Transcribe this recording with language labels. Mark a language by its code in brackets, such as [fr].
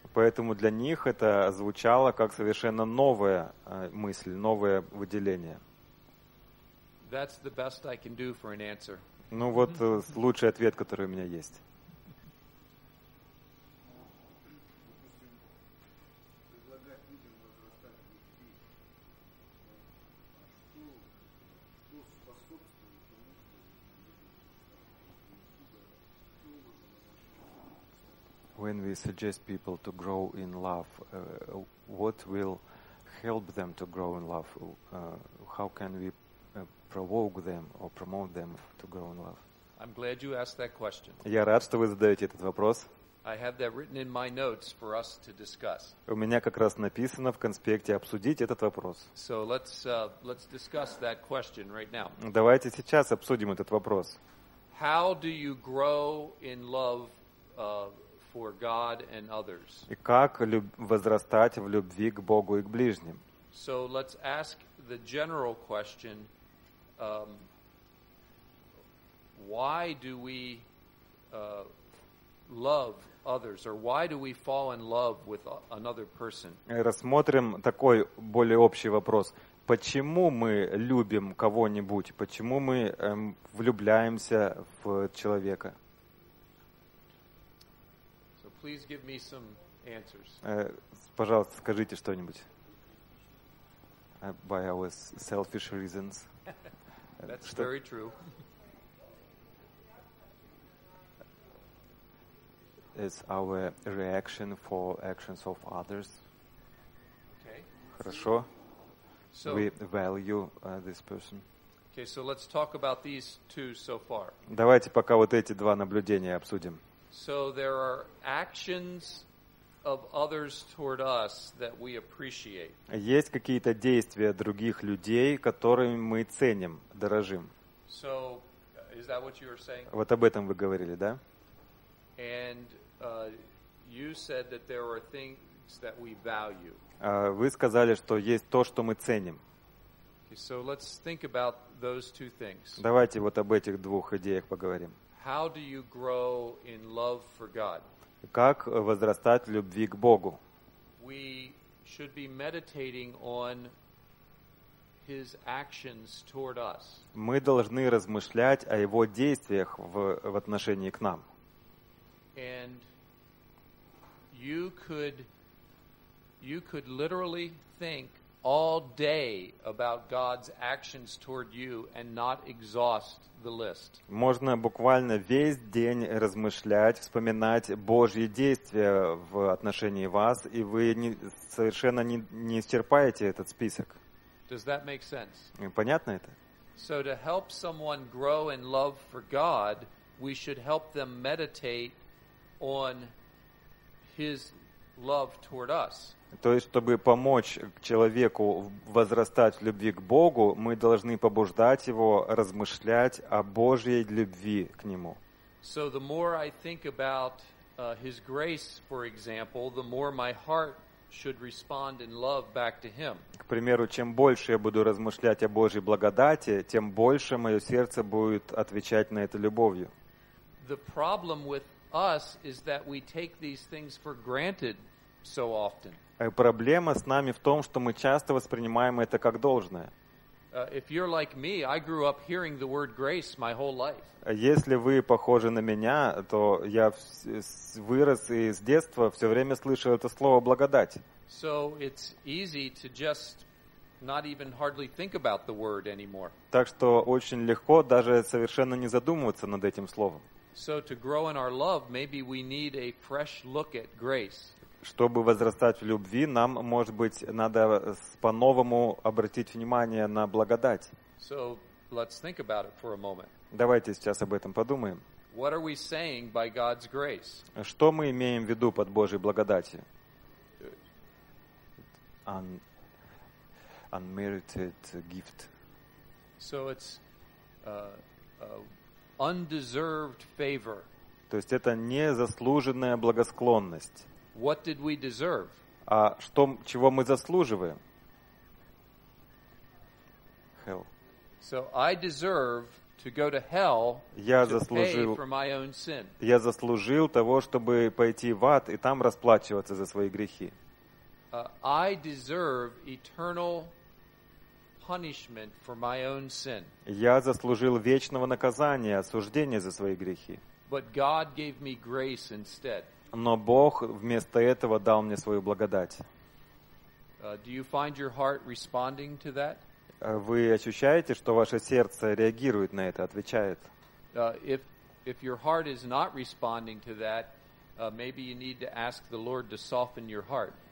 [ru] Поэтому для них это звучало как совершенно новая мысль, новое выделение. [en] That's the best I can do for an answer. [ru] Ну вот лучший ответ, который у меня есть. [en] When we suggest people to grow in love, what will help them to grow in love? How can we provoke them or promote them to grow in love? I'm glad you asked that question. [ru] Я рад, что вы задаете этот вопрос. [en] I have that written in my notes for us to discuss. [ru] У меня как раз написано в конспекте обсудить этот вопрос. [en] So let's discuss that question right now. [ru] Давайте сейчас обсудим этот вопрос. [en] How do you grow in love for God and others? [ru] И как возрастать в любви к Богу и к ближним? [en] So let's ask the general question, why do we love others, or why do we fall in love with another person? [ru] Рассмотрим такой более общий вопрос. Почему мы любим кого-нибудь? Почему мы влюбляемся в человека? [en] Please give me some answers. [ru] Пожалуйста, скажите что-нибудь. [en] By our selfish reasons. That's very true. It's our reaction for actions of others. Okay. [ru] Хорошо. [en] So we value this person. Okay, so let's talk about these two so far. [ru] Давайте пока вот эти два наблюдения обсудим. [en] So there are actions of others toward us that we appreciate. [ru] Есть какие-то действия других людей, которыми мы ценим, дорожим. [en] So is that what you were saying? [ru] Вот об этом вы говорили, да? [en] And you said that there are things that we value. [ru] Вы сказали, что есть то, что мы ценим. [en] Okay, so let's think about those two things. [ru] Давайте вот об этих двух идеях поговорим. [en] How do you grow in love for God? [ru] Как возрастать в любви к Богу? [en] We should be meditating on His actions toward us. [ru] Мы должны размышлять о Его действиях в отношении к нам. [en] And you could literally think all day about God's actions toward you and not exhaust the list. [ru] Можно буквально весь день размышлять, вспоминать Божьи действия в отношении вас, и вы совершенно не исчерпаете этот список. [en] Does that make sense? [ru] Понятно это? [en] So to help someone grow in love for God, we should help them meditate on His love toward us. [ru] То есть, чтобы помочь человеку возрастать в любви к Богу, мы должны побуждать его размышлять о Божьей любви к нему. [en] So the more I think about his grace, for example, the more my heart should respond in love back to him. [ru] К примеру, чем больше я буду размышлять о Божьей благодати, тем больше мое сердце будет отвечать на это любовью. [en] The problem with us is that we take these things for granted so often. [ru] Проблема с нами в том, что мы часто воспринимаем это как должное. [en] If you're like me, I grew up hearing the word grace my whole life. [ru] Если вы похожи на меня, то я вырос и с детства все время слышал это слово благодать. [en] So it's easy to just not even hardly think about the word anymore. [ru] Так что очень легко даже совершенно не задумываться над этим словом. [en] So to grow in our love, maybe we need a fresh look at grace. [ru] Чтобы возрастать в любви, нам, может быть, надо по-новому обратить внимание на благодать. [en] So, let's think about it for a moment. [ru] Давайте сейчас об этом подумаем. [en] What are we saying by God's grace? [ru] Что мы имеем в виду под Божьей благодатью? [en] Unmerited gift. So it's undeserved favor. [ru] То есть это незаслуженная благосклонность. [en] What did we deserve? [ru] А что, чего мы заслуживаем? [en] Hell. So I deserve to go to hell to pay for my own sin. [ru] Я заслужил того, чтобы пойти в ад и там расплачиваться за свои грехи. [en] I deserve eternal punishment for my own sin. [ru] Я заслужил вечного наказания, осуждения за свои грехи. [en] But God gave me grace instead. [ru] Но Бог вместо этого дал мне свою благодать. [en] Do you find your heart responding to that? [ru] Вы ощущаете, что ваше сердце реагирует на это, отвечает? [en] If your heart is not responding to that, maybe you need to ask the Lord to soften your heart.